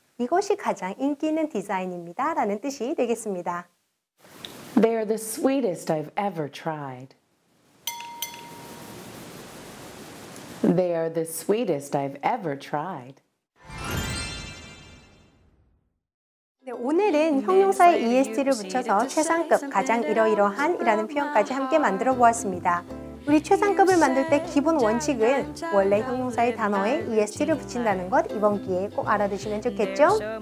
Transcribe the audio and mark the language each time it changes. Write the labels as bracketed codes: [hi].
[ko] 이것이 가장 인기 있는 디자인입니다 라는 뜻이 되겠습니다. [en] They are the sweetest I've ever tried. They are the sweetest I've ever tried. [ko] 네, 오늘은 형용사의 est를 붙여서 최상급, 가장 이러이러한 이라는 표현까지 함께 만들어 보았습니다. 우리 최상급을 만들 때 기본 원칙은 원래 형용사의 단어에 est를 붙인다는 것 이번 기회에 꼭 알아두시면 좋겠죠?